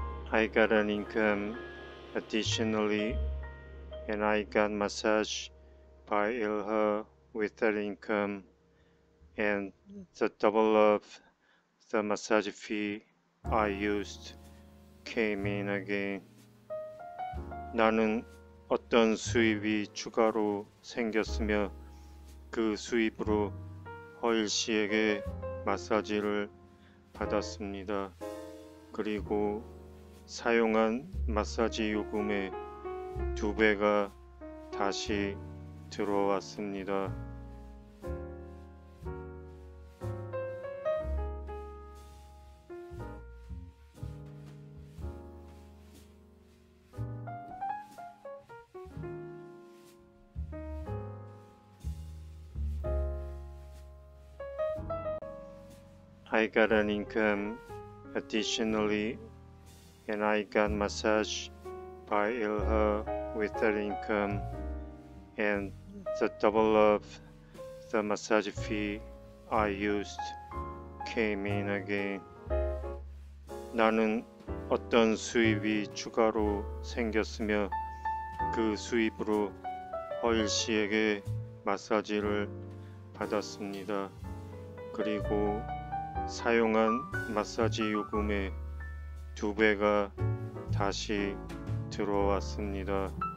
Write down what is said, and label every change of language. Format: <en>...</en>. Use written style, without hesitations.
<en>I got an income additionally, and I got massage by Ilha with that income, and the double of the massage fee I used came in again.</en> <ko>나는 어떤 수입이 추가로 생겼으며 그 수입으로 허일 씨에게 마사지를 받았습니다. 그리고 사용한 마사지 요금의 두 배가 다시 들어왔습니다.</ko> <en>I got an income additionally, and I got massage by Ilha with that income, and the double of the massage fee I used came in again.</en> <ko>나는 어떤 수입이 추가로 생겼으며 그 수입으로 허일 씨에게 마사지를 받았습니다. 그리고 사용한 마사지 요금의 두 배가 다시 들어왔습니다.</ko>